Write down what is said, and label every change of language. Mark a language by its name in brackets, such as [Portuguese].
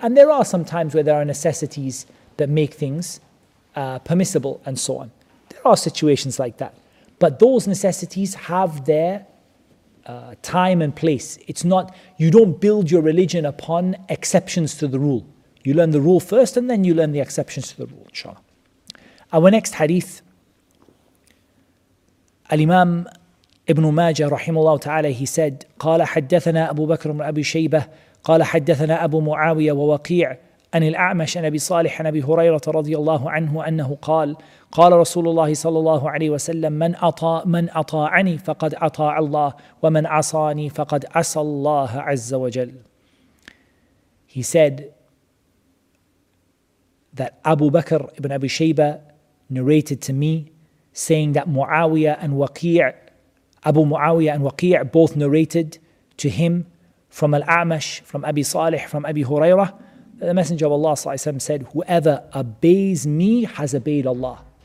[English] And there are some times where there are necessities that make things permissible and so on. There are situations like that. But those necessities have their time and place. It's not, you don't build your religion upon exceptions to the rule. You learn the rule first and then you learn the exceptions to the rule, inshallah. Our next hadith, Al-Imam Ibn Majah, rahimahullah ta'ala, he said, [Arabic] قال حدثنا أبو بكر بن أبي شيبة قال حدثنا أبو معاوية ووقيع عن الأعمش عن أبي صالح عن أبي هريرة رضي الله عنه أنه قال قال رسول الله صلى الله عليه وسلم من أطاعني فقد أطاع الله ومن عصاني فقد عصى الله عز وجل. [English] He said that Abu Bakr ibn Abi Shayba narrated to me saying that Abu Muawiyah and Waqi' both narrated to him from Al-A'mash, from Abi Salih, from Abi Hurairah, the Messenger of Allah sallallahu alaihi wasallam said, whoever obeys me has obeyed Allah,